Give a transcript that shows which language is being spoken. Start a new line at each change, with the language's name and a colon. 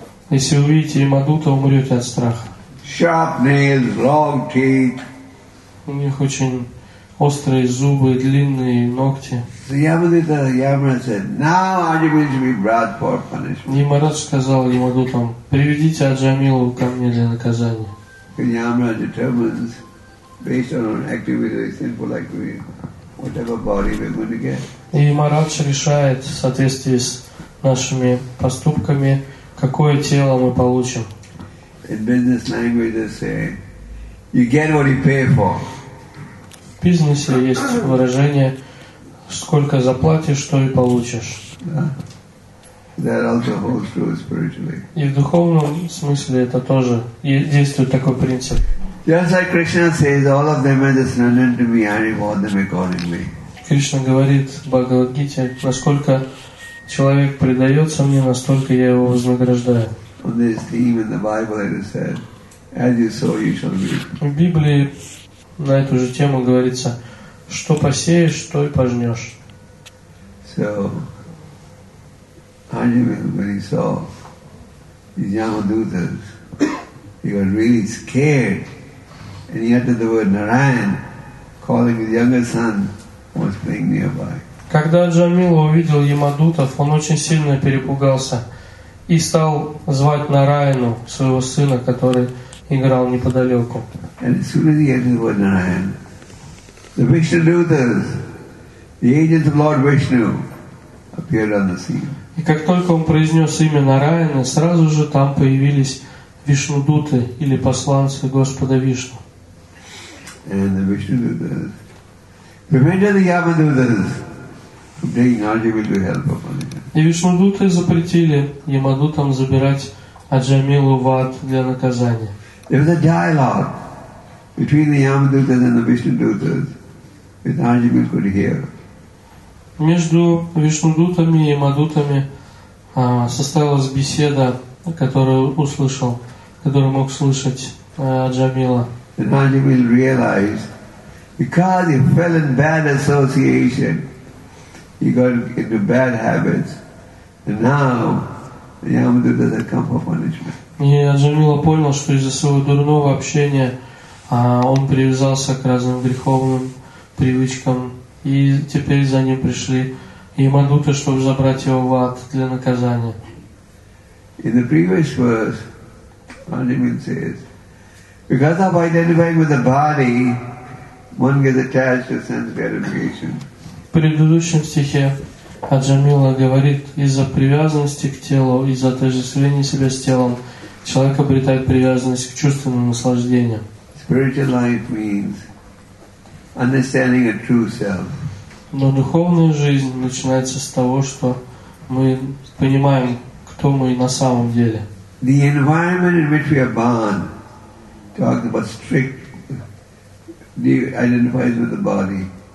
Russian: Если вы увидите ямадута, умрете от страха.
English: Sharp nails, long teeth.
Russian: У них очень острые зубы, длинные ногти.
English: So Yamaraj said, "Now Ajamila should be brought for punishment."
Russian: Yamaraj сказал Ямадутам: "Приведите Аджамилу ко мне для наказания."
English: And Yamaraj determines, based on our activity, sinful activity, whatever body we're going to get.
Russian: И Yamaraj решает в соответствии с нашими поступками, какое тело мы получим.
English: In business language, they say, "You get what you pay for."
Russian: В бизнесе есть выражение: "Сколько заплатишь, что и получишь."
English: That also holds true spiritually.
Russian: И в духовном смысле это тоже действует такой принцип.
English: Just like Krishna says, all of them are just surrendered to me, I reward them accordingly.
Russian: Кришна говорит в Бхагавад-гите: "Насколько человек предается мне, настолько я его вознаграждаю."
English: On this theme in the Bible, it is said, "As you sow, you shall reap."
Russian: В Библии на эту же тему говорится: "Что посеешь, то и пожнешь."
English: So, Ajamila, when he saw these Yamadutas, he was really scared, and he uttered the word Narayan, calling his younger son, who was playing nearby.
Russian: Когда Аджамила увидел Ямадутов, он очень сильно перепугался и стал звать Нараяну, своего сына, который играл неподалеку.
English: And as soon as he heard the word Narayan, The Vishnu Dutas, the agents of Lord Vishnu, appeared on the scene.
Russian: И как только он произнес имя Нараяна, сразу же там появились Вишнудуты или посланцы Господа Вишну.
English: And the Vishnudutas prevented the Yamadutas from taking Ajamilu help upon him.
Russian: И Вишнудуты запретили Ямадутам забирать Аджамилу в ад для наказания.
English: There was a dialogue between the Yamadutas and the Vishnudutas that Ajamilu could hear.
Russian: Между Вишнудутами и Ямадутами состоялась беседа, которую услышал, которую мог слышать Аджамила.
English: And Ajamil realized, because he fell in bad association, he got into bad habits, and now the Yamadutas have come for punishment.
Russian: И Аджамила понял, что из-за своего дурного общения он привязался к разным греховным привычкам, и теперь за ним пришли Ямадуты, чтобы забрать его в ад для наказания.
English: In the previous verse, Ajamil says, because of identifying with the body, one gets attached to sense gratification.
Russian: В предыдущем стихе Аджамила говорит, из-за привязанности к телу, из-за отождествления себя с телом, человек обретает привязанность к чувственным наслаждениям.
English: Spiritual life means understanding a true self.
Russian: Но духовная жизнь начинается с того, что мы понимаем, кто мы на самом деле.
English: The environment in which we are born talks about strict identifies with the body.